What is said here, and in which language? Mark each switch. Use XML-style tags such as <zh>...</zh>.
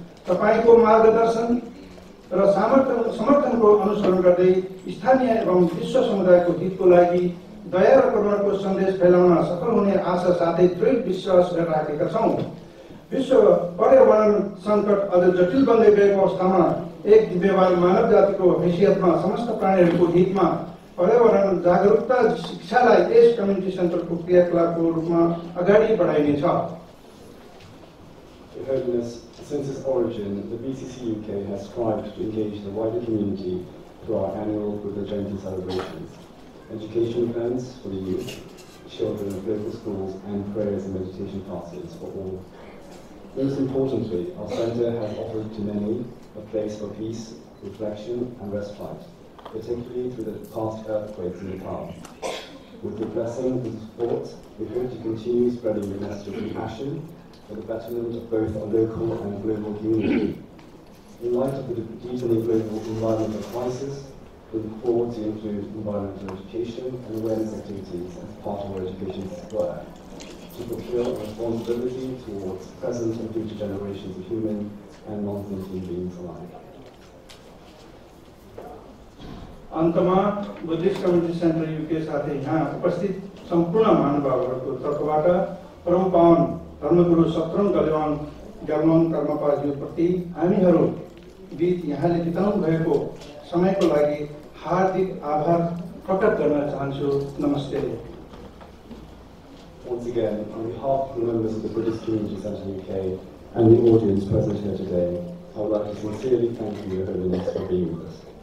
<ne>तपाईँको मार्गदर्शन र समर्थनको अनुसरण गर्दै स्थानीय एवं विश्व समुदायको हितको लागि दया र करुणाको सन्देश फैलाउन सफल हुने आशा साथै दृढ विश्वास गरिराखेका छौँ। विश्व पर्यावरण सङ्कट अझ जटिल बन्दै गएको अवस्थामा एक दिव्यवान मानव जातिको हैसियतमा समस्त प्राणीहरूको हितमा पर्यावरण जागरूकता शिक्षालाई यस कम्युनिटी सेन्टरको क्रियाकलापको रूपमा अगाडि बढाइनेछ।</ne> <en>Since its origin, the BCCUK has strived to engage the wider community through our annual Buddha Jayanti celebrations, education plans for the youth, children of local schools, and prayers and meditation classes for all. Most importantly, our center has offered to many a place for peace, reflection, and respite, particularly through the past earthquakes in Nepal. With your blessing and support, we hope to continue spreading the message of compassion for the betterment of both our local and global community. In light of the deepening global environmental crisis, we look forward to include environmental education and awareness activities as part of our education square to fulfill our responsibility towards present and future generations of human and non-thinking beings alike.</en> <ne>Antama Buddhist Community Center UK साथे यहाँ उपस्थित सम्पूर्ण महानुभावहरुको तर्फबाट परम पावन धर्मगुरु सत्रौँ कल्याण ग्यालोन कर्मपाज्यूप्रति हामीहरू बीच यहाँले बिताउनु भएको समयको लागि हार्दिक आभार प्रकट गर्न चाहन्छु। नमस्ते।</ne> <en>Once again, on behalf of the members of the Buddhist Community Center UK and the audience present here today, I would like to sincerely thank you, Your Holiness, for being with us.</en>